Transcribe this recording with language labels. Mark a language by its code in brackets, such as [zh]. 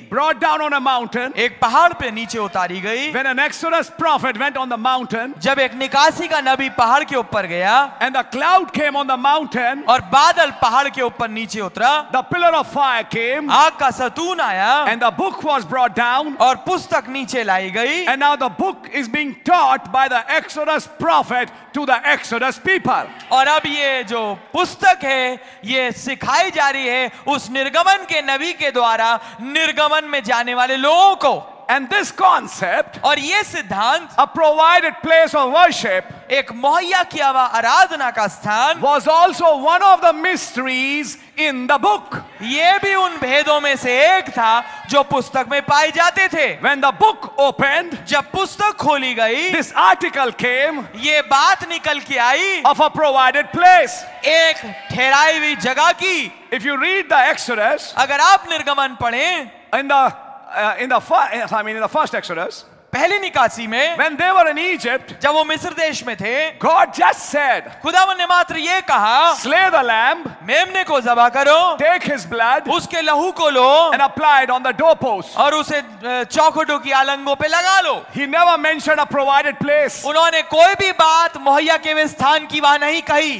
[en] brought down on a mountain, [hi] एक पहाड़ पे नीचे उतारी गई, [en] when an Exodus prophet went on the mountain, [hi] जब एक निकासी का नबी पहाड़ के ऊपर गया, [en] and the cloud came on the mountain, [hi] और बादल पहाड़ के ऊपर नीचे उतरा, [en] the pillar of fire came, [hi] आग का सतून आया, [en] and the book was brought down, [hi] और पुस्तक नीचे लाई गई, [en] and now the book is being taught by the Exodus prophet to the Exodus people. [hi] और अब ये जो पुस्तक है ये सिखाई जा रही है उस निर्गमन के नबी के द्वारा निर्गमन में जाने वाले लोगों को [en] And this concept, [hi] और ये सिद्धांत, [en] a provided place of worship, [hi] एक मुहैया किया हुआ आराधना का स्थान, [en] was also one of the mysteries in the book. [hi] ये भी उन भेदों में से एक था जो पुस्तक में पाए जाते थे. [en] When the book opened, [hi] जब पुस्तक खोली गई, [en] this article came, [hi] ये बात निकल के आई, [en] of a provided place, [hi] एक ठहराई हुई जगह की. [en] If you read the Exodus, [hi] अगर आप निर्गमन पढ़ें, [en] in the first Exodus, [hi] पहले निकासी में, [en] when they were in Egypt, [hi] जब वो मिस्र देश में थे, [en] God just said, [hi] खुदावन ने मात्र ये कहा, [en] slay the lamb, [hi] मेमने को ज़बा करो, [en] take his blood, [hi] उसके लहू को लो, [en] and apply it on the doorpost, [hi] और उसे चौखटों की आलंगों पे लगा लो. [en] He never mentioned a provided place. [hi] उन्होंने कोई भी बात मुहैया के स्थान की वहाँ नहीं कही.